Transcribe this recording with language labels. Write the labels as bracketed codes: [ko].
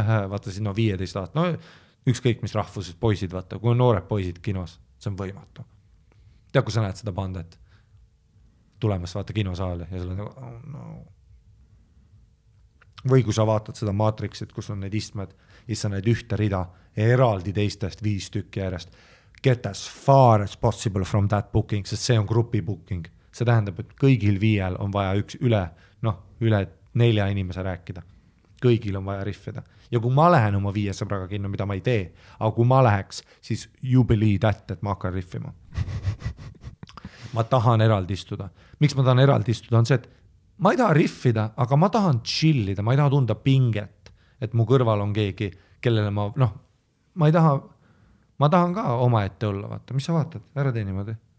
[et] Vaata siin, noh, 15 aastat, noh, ükskõik, mis rahvusest poisid, vaata, kui on noored poisid kinos, see on võimatu. Tead, kui sa näed seda pandet tulemas, vaata kinosaale ja sul on nagu, [en] oh no. [et] Või kui sa vaatad seda maatriksit, kus on need istmed, ja sa näed ühte rida eraldi teistest 5 tükki järjest. [en] Get as far as possible from that booking, [et] sest see on gruppi booking. See tähendab, et kõigil viiel on vaja üks üle, noh, üle 4 inimese rääkida. Kõigil on vaja riffida. Ja kui ma lähen oma 5 sõbraga kinno, mida ma ei tee, aga kui ma läheks, siis [en] you believe that, [et] et ma hakkan riffima. Ma tahan eraldi istuda. Miks ma tahan eraldi istuda on see, et ma ei taha riffida, aga ma tahan chillida, ma ei taha tunda pinget, et mu kõrval on keegi, kellele ma, noh, ma ei taha, ma tahan ka oma ette olla, vaata. Mis sa vaatad? Ära tee niimoodi.